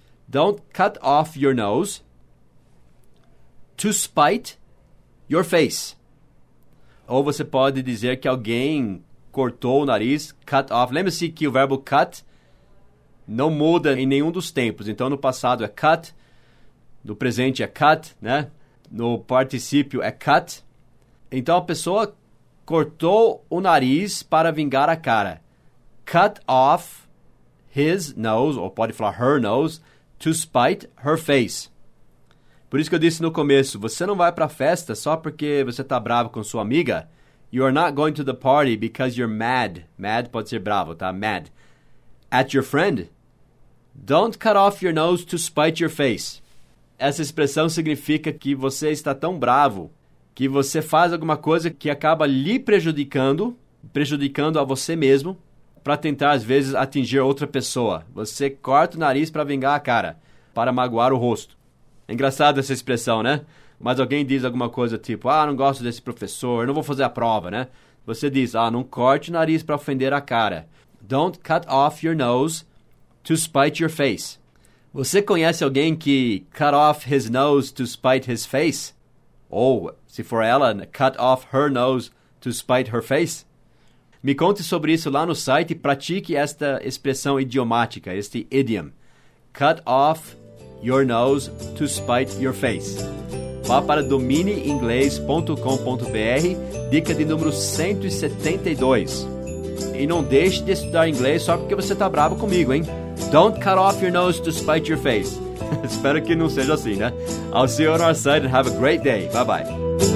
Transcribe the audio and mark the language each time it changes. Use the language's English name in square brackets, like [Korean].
[English] Don't cut off your nose to spite your face. [Portuguese] Ou você pode dizer que alguém cortou o nariz, [English] cut off. [Portuguese] Lembre-se que o verbo cut não muda em nenhum dos tempos. Então, no passado é cut, no presente é cut, né? No particípio é cut. Então, a pessoa cortou o nariz para vingar a cara. [English] Cut off his nose, [Portuguese] ou pode falar [English] her nose, to spite her face. [Portuguese] Por isso que eu disse no começo, você não vai para a festa só porque você está bravo com sua amiga. [English] You are not going to the party because you're mad. [Portuguese] Mad pode ser bravo, tá? [English] Mad. At your friend. Don't cut off your nose to spite your face. [Portuguese] Essa expressão significa que você está tão bravo que você faz alguma coisa que acaba lhe prejudicando, prejudicando a você mesmo, para tentar, às vezes, atingir outra pessoa. Você corta o nariz para vingar a cara, para magoar o rosto. Engraçado essa expressão, né? Mas alguém diz alguma coisa tipo, ah, não gosto desse professor, não vou fazer a prova, né? Você diz, ah, não corte o nariz para ofender a cara. [English] Don't cut off your nose to spite your face. [Portuguese] Você conhece alguém que [English] cut off his nose to spite his face? [Portuguese] Ou, se for ela, [English] cut off her nose to spite her face? [Portuguese] Me conte sobre isso lá no site e pratique esta expressão idiomática, este idiom. [English] Cut off your nose to spite your face. [Portuguese] Vá para domineinglês.com.br, dica de número 172. E não deixe de estudar inglês só porque você está bravo comigo, hein? [English] Don't cut off your nose to spite your face. [Portuguese] Espero que não seja assim, né? [English] I'll see you on our site and have a great day. Bye-bye.